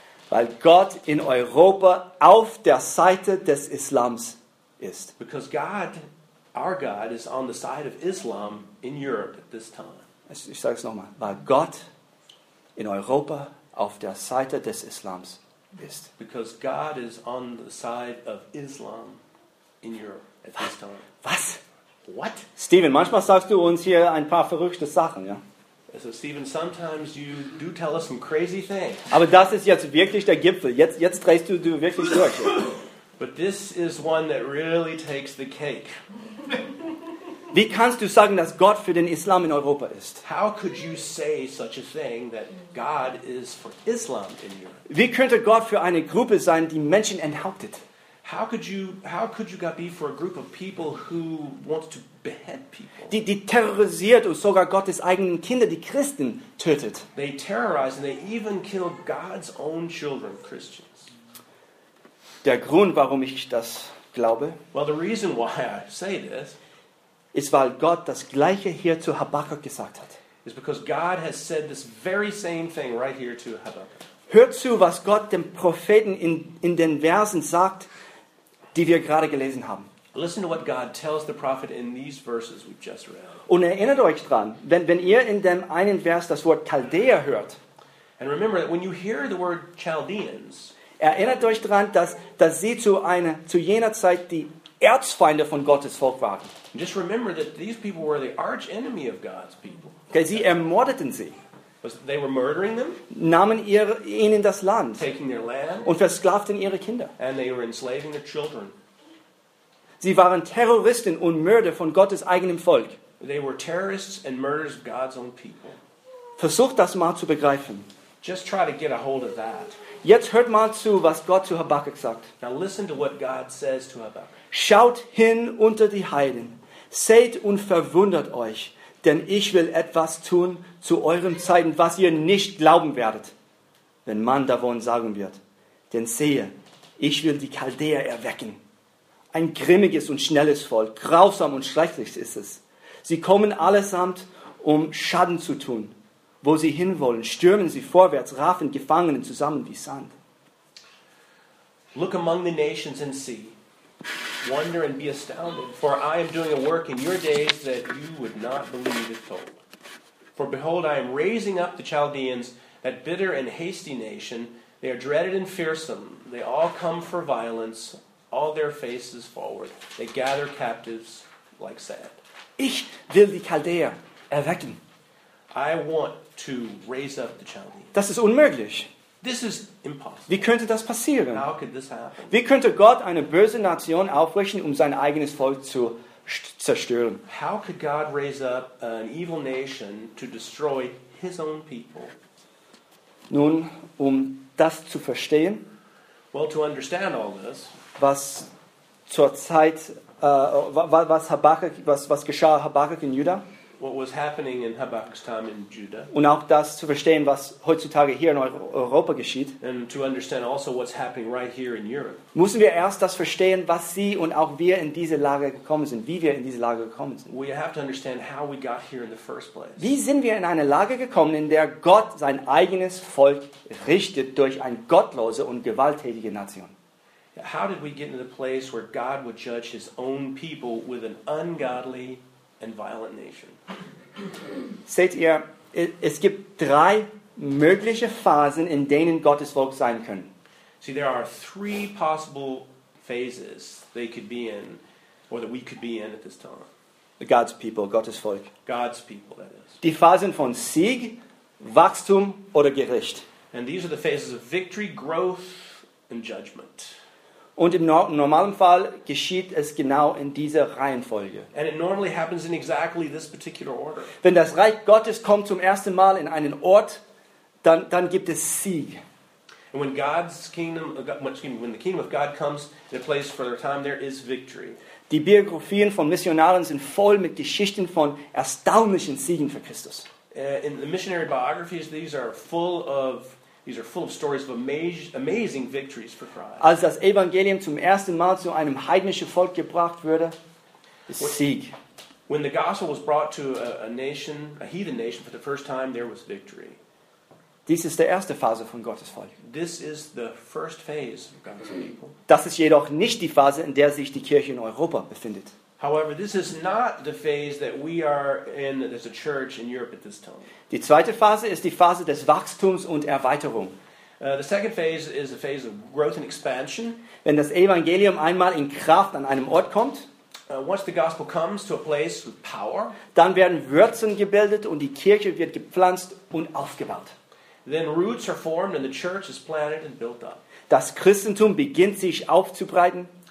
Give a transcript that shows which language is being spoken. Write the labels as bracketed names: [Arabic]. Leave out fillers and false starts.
[German] weil Gott in Europa auf der Seite des Islams ist. [English] Because God, our God, is on the side of Islam in Europe at this time. [German] Ich sage es nochmal. Weil Gott in Europa auf der Seite des Islams ist. [English] Because God is on the side of Islam in Europe at this time. [German] Was? [English] What? [German] Steven, manchmal sagst du uns hier ein paar verrückte Sachen, ja? [English] So Steven, sometimes you do tell us some crazy things. [German] Aber das ist jetzt wirklich der Gipfel. Jetzt drehst du wirklich durch. [English] But this is one that really takes the cake. [German] Wie kannst du sagen, dass Gott für den Islam in Europa ist? [English] How could you say such a thing that God is for Islam in Europe? [German] Wie könnte Gott für eine Gruppe sein, die Menschen enthauptet? [English] How could you God be for a group of people who wants to behead people? [German] Die terrorisiert und sogar Gottes eigenen Kinder, die Christen, tötet. [English] They terrorize and they even kill God's own children, Christians. [German] Der Grund, warum ich das glaube, [English] well, the reason why I say this, [German] ist, weil Gott das Gleiche hier zu Habakkuk gesagt hat. [English] Is because God has said this very same thing right here to Habakkuk. [German] Hört zu, was Gott dem Propheten in den Versen sagt, die wir gerade gelesen haben. [English] Listen to what God tells the prophet in these verses we've just read. [German] Und erinnert euch dran, wenn ihr in dem einen Vers das Wort Chaldea hört. [English] And remember that when you hear the word Chaldeans. [German] Erinnert euch daran, dass sie zu jener Zeit die Erzfeinde von Gottes Volk waren. [English] Just remember that these people were the arch enemy of God's people. [German] Okay, sie ermordeten sie. [English] They were murdering them, [German] nahmen ihnen das Land, [English] taking their land [German] und versklavten ihre Kinder. [English] And they were enslaving their children. [German] Sie waren Terroristen und Mörder von Gottes eigenem Volk. [English] They were terrorists and murderers of God's own people. [German] Versucht das mal zu begreifen. [English] Just try to get a hold of that. [German] Jetzt hört mal zu, was Gott zu Habakkuk sagt. [English] Now listen to what God says to Habakkuk. [German] Schaut hin unter die Heiden. Seht und verwundert euch, denn ich will etwas tun zu euren Zeiten, was ihr nicht glauben werdet, wenn man davon sagen wird. Denn sehe, ich will die Chaldäer erwecken. Ein grimmiges und schnelles Volk, grausam und schrecklich ist es. Sie kommen allesamt, um Schaden zu tun. Wo sie hinwollen, stürmen sie vorwärts, raffen Gefangenen zusammen wie Sand. [English] Look among the nations and see. Wonder and be astounded. For I am doing a work in your days that you would not believe if told. For behold, I am raising up the Chaldeans, that bitter and hasty nation. They are dreaded and fearsome. They all come for violence, all their faces forward. They gather captives like sand. [German] Ich will die Chaldäer erwecken. [English] I want to raise up the Chaldeans. [German] Das ist unmöglich. [English] This is impossible. [German] Wie könnte das passieren? [English] How could this happen? [German] Wie könnte Gott eine böse Nation aufrichten, um sein eigenes Volk zu zerstören? [English] How could God raise up an evil nation to destroy his own people? [German] Nun, um das zu verstehen, [English] well, to understand all this, [German] was zur Zeit was geschah Habakkuk in Juda? [English] what was happening in Habakkuk's time in Judah. [German] Und auch das zu verstehen, was heutzutage hier in Europa geschieht. [English] And to understand also what's happening right here in Europe. [German] Müssen wir erst das verstehen, was sie und auch wir in diese Lage gekommen sind, wie wir in diese Lage gekommen sind. [English] We have to understand how we got here in the first place. [German] Wie sind wir in eine Lage gekommen, in der Gott sein eigenes Volk richtet durch eine gottlose und gewalttätige Nation? [English] How did we get into the place where God would judge his own people with an ungodly and violent nation? [German] Seht ihr, es gibt drei mögliche Phasen, in denen Gottes Volk sein können. [English] See, there are three possible phases they could be in, or that we could be in at this time. God's people, [German] Gottes Volk. [English] God's people, that is. [German] Die Phasen von Sieg, Wachstum oder Gericht. [English] And these are the phases of victory, growth and judgment. [German] Und im normalen Fall geschieht es genau in dieser Reihenfolge. [English] And it normally happens in exactly this particular order. [German] Wenn das Reich Gottes kommt zum ersten Mal in einen Ort, dann gibt es Sieg. [English] And when the kingdom of God comes in a place for their time, there is victory. [German] Die Biografien von Missionaren sind voll mit Geschichten von erstaunlichen Siegen für Christus. [English] In the missionary biographies, these are full of stories of amazing victories for Christ. [German] Als das Evangelium zum ersten Mal zu einem heidnischen Volk gebracht wurde, Sieg. [English] When the gospel was brought to a heathen nation for the first time, there was victory. [German] Dies ist der erste Phase von Gottes Volk. [English] This is the first phase of God's people. [German] Das ist jedoch nicht die Phase, in der sich die Kirche in Europa befindet. [English] However, this is not the phase that we are in as a church in Europe at this time. [German] Die zweite Phase ist die Phase des Wachstums und Erweiterung. [English] The second phase is a phase of growth and expansion. [German] Wenn das Evangelium einmal in Kraft an einem Ort kommt, [English] once the gospel comes to a place with power, [German] dann werden Wurzeln gebildet und die Kirche wird gepflanzt und aufgebaut. [English] Then roots are formed and the church is planted and built up. [German] Das Christentum beginnt sich auszubreiten.